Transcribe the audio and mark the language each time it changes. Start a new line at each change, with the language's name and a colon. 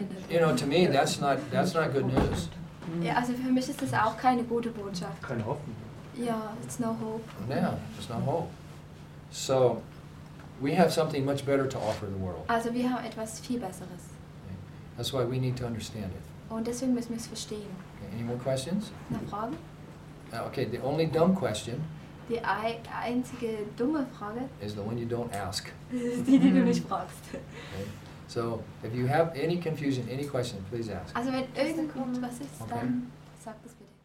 English: You know, to me, that's not good news.
German: Yeah, also für mich ist das auch keine gute Botschaft. Keine Hoffnung.
English: Yeah, it's no hope. Yeah, it's no hope. So, we have something much better to offer the world.
German: Also wir haben etwas viel Besseres.
English: That's why we need to understand it.
German: Und deswegen müssen wir es verstehen.
English: Okay, any more questions?
German: Noch Fragen?
English: Okay, the only dumb question.
German: Die einzige dumme Frage
English: is the one you don't ask.
German: Die du nicht fragst.
English: Okay. So, if you have any confusion, any question, please ask.
German: Also, wenn irgendwas ist, dann sag das bitte.